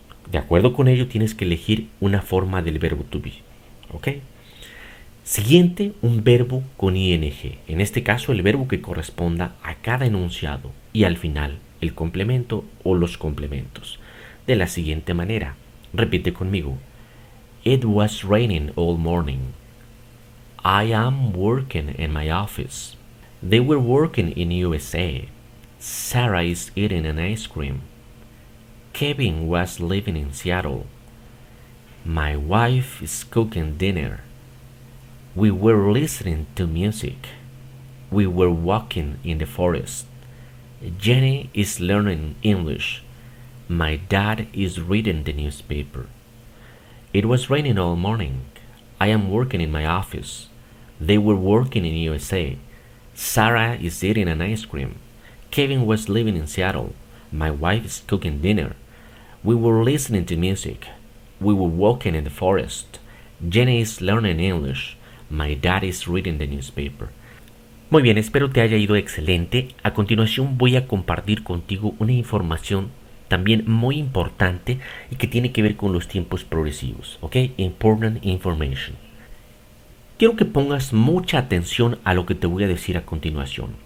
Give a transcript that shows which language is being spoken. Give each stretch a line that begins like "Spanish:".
Spanish: De acuerdo con ello, tienes que elegir una forma del verbo to be, ¿ok? Siguiente, un verbo con ing. En este caso, el verbo que corresponda a cada enunciado y al final el complemento o los complementos. De la siguiente manera, repite conmigo.
English: It was raining all morning. I am working in my office. They were working in USA. Sarah is eating an ice cream. Kevin was living in Seattle. My wife is cooking dinner. We were listening to music. We were walking in the forest. Jenny is learning English. My dad is reading the newspaper. It was raining all morning. I am working in my office. They were working in USA. Sarah is eating an ice cream. Kevin was living in Seattle. My wife is cooking dinner. We were listening to music. We were walking in the forest. Jenny is learning English. My dad is reading the newspaper.
Spanish: Muy bien, espero te haya ido excelente. A continuación voy a compartir contigo una información también muy importante y que tiene que ver con los tiempos progresivos. ¿Ok?
English: Important information.
Spanish: Quiero que pongas mucha atención a lo que te voy a decir a continuación.